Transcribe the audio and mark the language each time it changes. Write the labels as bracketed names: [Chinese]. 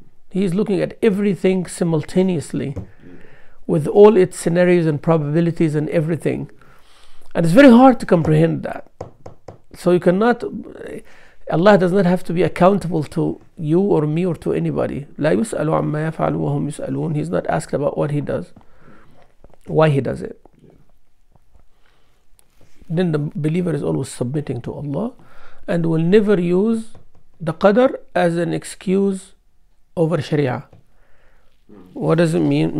[English] He's looking at everything simultaneously with all its scenarios and probabilities and everything. And it's very hard to comprehend that. So you cannot, Allah does not have to be accountable to you or me or to anybody. [Arabic] لا يسألوا عما يفعلوا وهم يسألون. [English] He's not asked about what he does, why he does it. Then the believer is always submitting to Allah and will never use the Qadr as an excuse over Sharia. What does it mean?